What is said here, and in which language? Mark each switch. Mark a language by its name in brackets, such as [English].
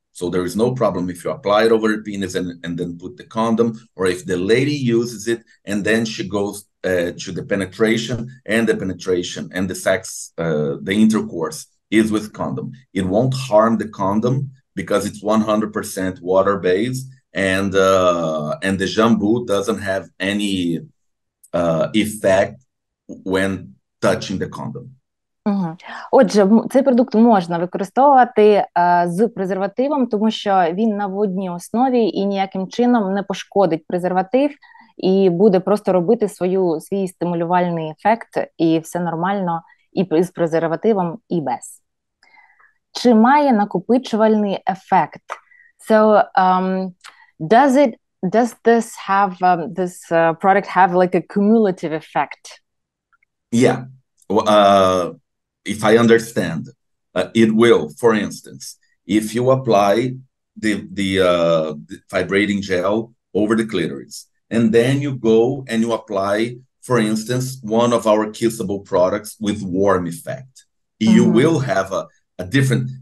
[English] So there is no problem if you apply it over your penis and then put the condom, or if the lady uses it and then she goes to the penetration and the sex, the intercourse is with condom. It won't harm the condom because it's 100% water-based, and the jambu doesn't have any effect when touching the condom. [Ukrainian] Отже, цей продукт можна використовувати з презервативом, тому що він на водній основі і ніяким чином не пошкодить презерватив і буде просто робити свій стимулювальний ефект, і все нормально і з презервативом, і без. Чи має накопичувальний ефект? [English] So, does this product have like a cumulative effect? Yeah. If I understand, it will. For instance, if you apply the vibrating gel over the clitoris, and then you go and you apply, for instance, one of our kissable products with warm effect, you will have a different.